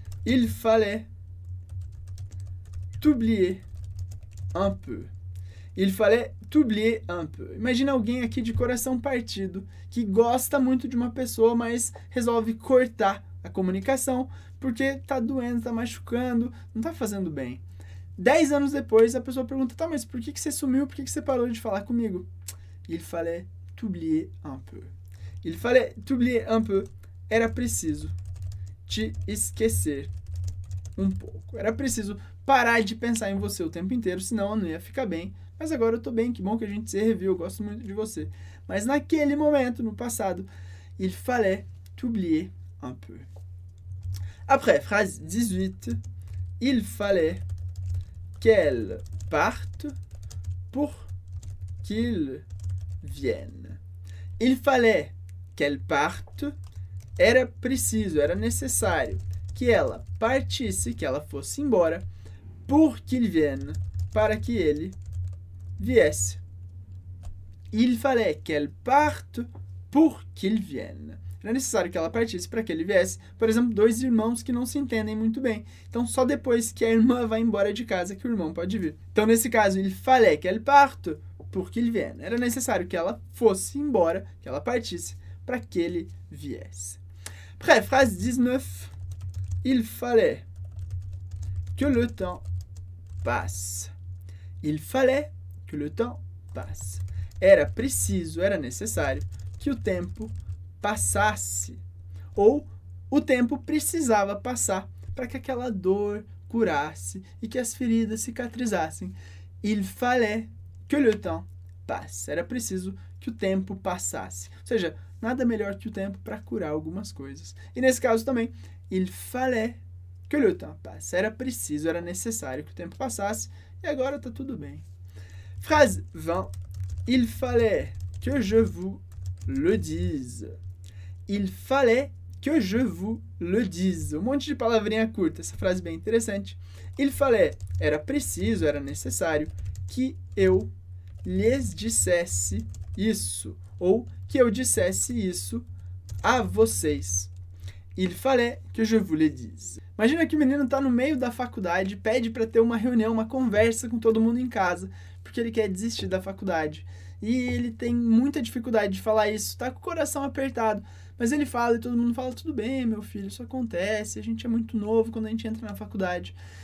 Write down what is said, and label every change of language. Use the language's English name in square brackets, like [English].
[French] Il fallait t'oublier un peu. Il fallait t'oublier un peu. [Portuguese] Imagina alguém aqui de coração partido que gosta muito de uma pessoa, mas resolve cortar a comunicação porque tá doendo, tá machucando, não tá fazendo bem. 10 anos depois, a pessoa pergunta, tá, mas por que que você sumiu? Por que que você parou de falar comigo? [French] Il fallait t'oublier un peu. Il fallait t'oublier un peu. [Portuguese] Era preciso te esquecer um pouco. Era preciso parar de pensar em você o tempo inteiro, senão eu não ia ficar bem. Mas agora eu tô bem, que bom que a gente se reviu, eu gosto muito de você. Mas naquele momento, no passado, [French] il fallait t'oublier un peu. Après, phrase 18, il fallait qu'elle parte pour qu'il vienne. Il fallait qu'elle parte, [Portuguese] era preciso, era necessário que ela partisse, que ela fosse embora, [French] pour qu'il vienne, [Portuguese] para que ele viesse. [French] Il fallait qu'elle parte pour qu'il vienne. [Portuguese] Era necessário que ela partisse para que ele viesse. Por exemplo, dois irmãos que não se entendem muito bem. Então, só depois que a irmã vai embora de casa que o irmão pode vir. Então, nesse caso, [French] il fallait qu'elle parte pour qu'il vienne. [Portuguese] Era necessário que ela fosse embora, que ela partisse para que ele viesse. [French] Après, phrase 19. Il fallait que le temps passe. Il fallait que le temps passe. [Portuguese] Era preciso, era necessário que o tempo passasse. Ou o tempo precisava passar para que aquela dor curasse e que as feridas cicatrizassem. [French] Il fallait que le temps passe. [Portuguese] Era preciso que o tempo passasse. Ou seja, nada melhor que o tempo para curar algumas coisas. E nesse caso também, [French] il fallait que le temps passe. [Portuguese] Era preciso, era necessário que o tempo passasse. E agora tá tudo bem. [French] Phrase 20. Il fallait que je vous le dise. Il fallait que je vous le dise. [Portuguese] Um monte de palavrinha curta. Essa frase bem interessante. [French] Il fallait. [Portuguese] Era preciso, era necessário que eu lhes dissesse isso. Ou que eu dissesse isso a vocês. [French] Il fallait que je vous le dise. [Portuguese] Imagina que o menino está no meio da faculdade, pede para ter uma reunião, uma conversa com todo mundo em casa, porque ele quer desistir da faculdade. E ele tem muita dificuldade de falar isso, está com o coração apertado. Mas ele fala e todo mundo fala, tudo bem, meu filho, isso acontece, a gente é muito novo quando a gente entra na faculdade.